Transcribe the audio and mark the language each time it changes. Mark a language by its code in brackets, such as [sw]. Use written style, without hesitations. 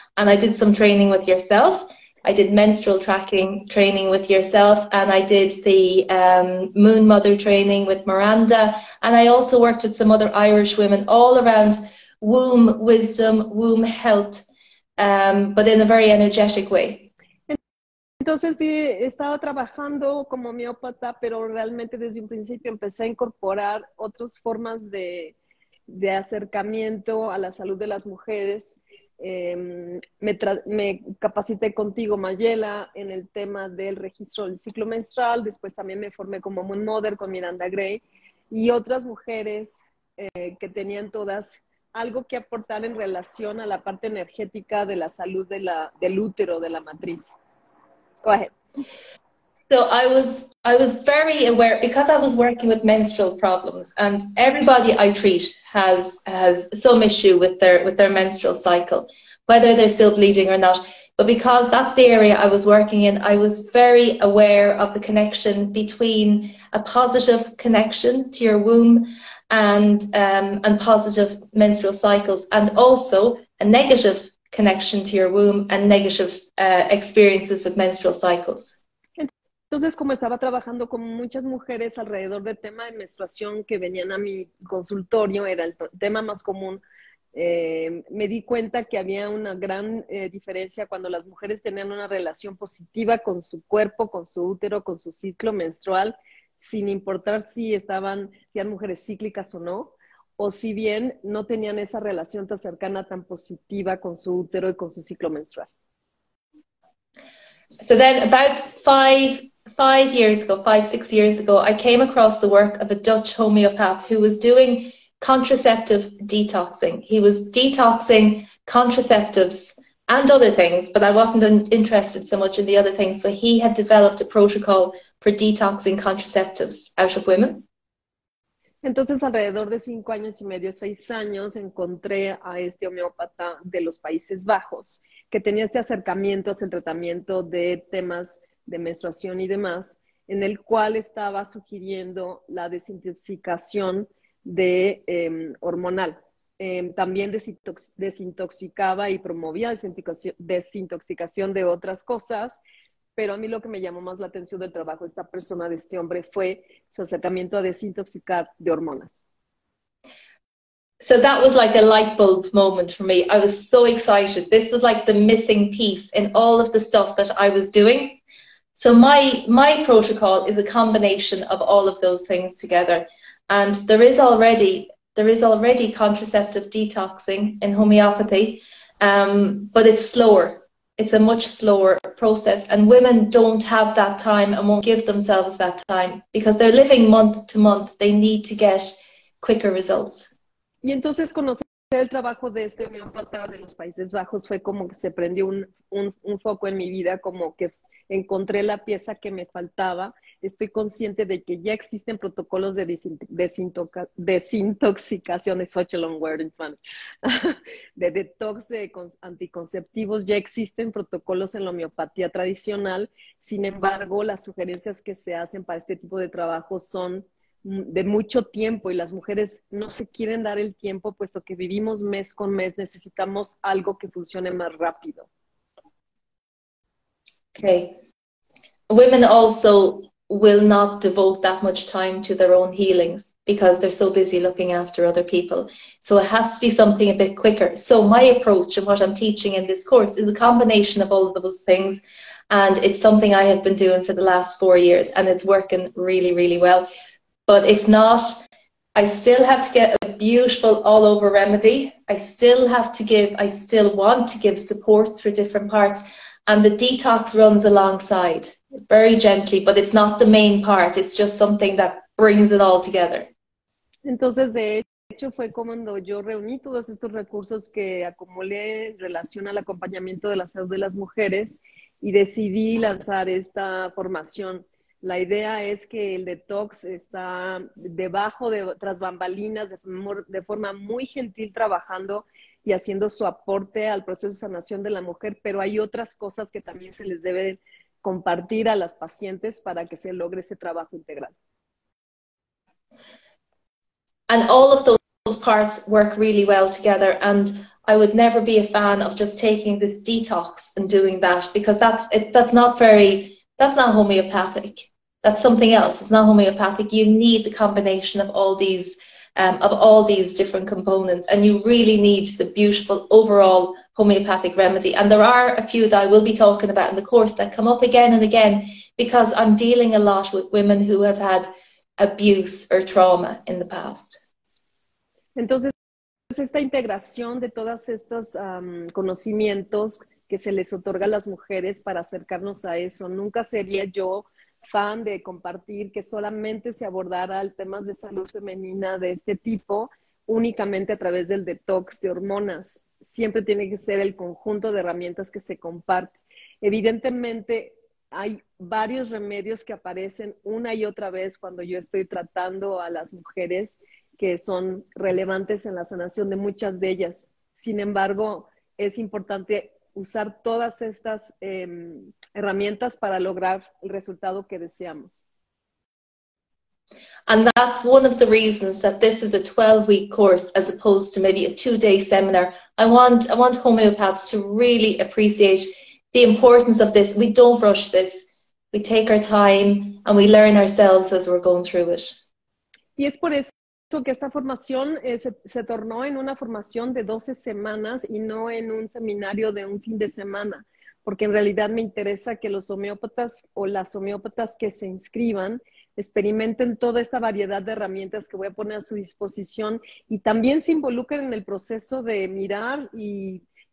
[en] And I did some training with yourself. I did menstrual tracking training with yourself, and I did the moon mother training with Miranda. And I also worked with some other Irish women all around womb wisdom, womb health, but in a very energetic way. [es] Entonces sí, estaba trabajando como homeópata, pero realmente desde un principio empecé a incorporar otras formas de acercamiento a la salud de las mujeres. Me capacité contigo, Mayela, en el tema del registro del ciclo menstrual. Después también me formé como Moon Mother con Miranda Gray y otras mujeres que tenían todas algo que aportar en relación a la parte energética de la salud de del útero, de la matriz. [en] Go ahead. So I was very aware because I was working with menstrual problems, and everybody I treat has some issue with their menstrual cycle, whether they're still bleeding or not. But because that's the area I was working in, I was very aware of the connection between a positive connection to your womb and positive menstrual cycles, and also a negative connection to your womb and negative experiences with menstrual cycles. [es] Entonces, como estaba trabajando con muchas mujeres alrededor del tema de menstruación que venían a mi consultorio, era el tema más común, me di cuenta que había una gran diferencia cuando las mujeres tenían una relación positiva con su cuerpo, con su útero, con su ciclo menstrual, sin importar si eran mujeres cíclicas o no, o si bien no tenían esa relación tan cercana, tan positiva con su útero y con su ciclo menstrual. [en] So then about five, six years ago, I came across the work of a Dutch homeopath who was doing contraceptive detoxing. He was detoxing contraceptives and other things, but I wasn't interested so much in the other things, but he had developed a protocol for detoxing contraceptives out of women. [es] Entonces, alrededor de 5 años y medio, 6 años, encontré a este homeópata de los Países Bajos, que tenía este acercamiento hacia el tratamiento de temas de menstruación y demás, en el cual estaba sugiriendo la desintoxicación de hormonal. También desintoxicaba y promovía desintoxicación de otras cosas. Pero a mí lo que me llamó más la atención del trabajo de esta persona, de este hombre, fue su acercamiento a desintoxicar de hormonas. [en] So that was like a light bulb moment for me. I was so excited. This was like the missing piece in all of the stuff that I was doing. So my protocol is a combination of all of those things together. And there is already contraceptive detoxing in homeopathy, but it's slower. It's a much slower process, and women don't have that time and won't give themselves that time because they're living month to month. They need to get quicker results. [es] Y entonces conocer el trabajo de este homeópata de los Países Bajos fue como que se prendió un foco en mi vida, como que encontré la pieza que me faltaba. Estoy consciente de que ya existen protocolos de desintoxicación, es [en] such a long word, [es] de detox de anticonceptivos. Ya existen protocolos en la homeopatía tradicional. Sin embargo, las sugerencias que se hacen para este tipo de trabajo son de mucho tiempo y las mujeres no se quieren dar el tiempo, puesto que vivimos mes con mes, necesitamos algo que funcione más rápido. [en] Okay. Women also will not devote that much time to their own healings because they're so busy looking after other people. So it has to be something a bit quicker. So my approach and what I'm teaching in this course is a combination of all of those things, and it's something I have been doing for the last 4 years, and it's working really, really well. But it's not, I still have to get a beautiful all over remedy. I still want to give supports for different parts. And the detox runs alongside very gently, but it's not the main part. It's just something that brings it all together. [es] Entonces, de hecho, fue cuando yo reuní todos estos recursos que acumulé en relación al acompañamiento de la salud de las mujeres y decidí lanzar esta formación. La idea es que el detox está debajo de tras bambalinas de forma muy gentil trabajando y haciendo su aporte al proceso de sanación de la mujer, pero hay otras cosas que también se les debe compartir a las pacientes para que se logre ese trabajo integral. [en] And all of those parts work really well together, and I would never be a fan of just taking this detox and doing that, because that's not homeopathic. That's something else. It's not homeopathic. You need the combination of all these different components, and you really need the beautiful overall homeopathic remedy. And there are a few that I will be talking about in the course that come up again and again, because I'm dealing a lot with women who have had abuse or trauma in the past. [es] Entonces, esta integración de todos estos conocimientos que se les otorga a las mujeres para acercarnos a eso, nunca sería yo fan de compartir que solamente se abordara el tema de salud femenina de este tipo únicamente a través del detox de hormonas. Siempre tiene que ser el conjunto de herramientas que se comparte. Evidentemente, hay varios remedios que aparecen una y otra vez cuando yo estoy tratando a las mujeres que son relevantes en la sanación de muchas de ellas. Sin embargo, es importante usar todas estas herramientas para lograr el resultado que deseamos. [en] And that's one of the reasons that this is a 12-week course as opposed to maybe a 2-day seminar. I want homeopaths to really appreciate the importance of this. We don't rush this. We take our time and we learn ourselves as we're going through it. [es] Y es por eso que esta formación se tornó en una formación de 12 semanas y no en un seminario de un fin de semana, porque en realidad me interesa que los homeópatas o las homeópatas que se inscriban experimenten toda esta variedad de herramientas que voy a poner a su disposición y también se involucren en el proceso de mirar y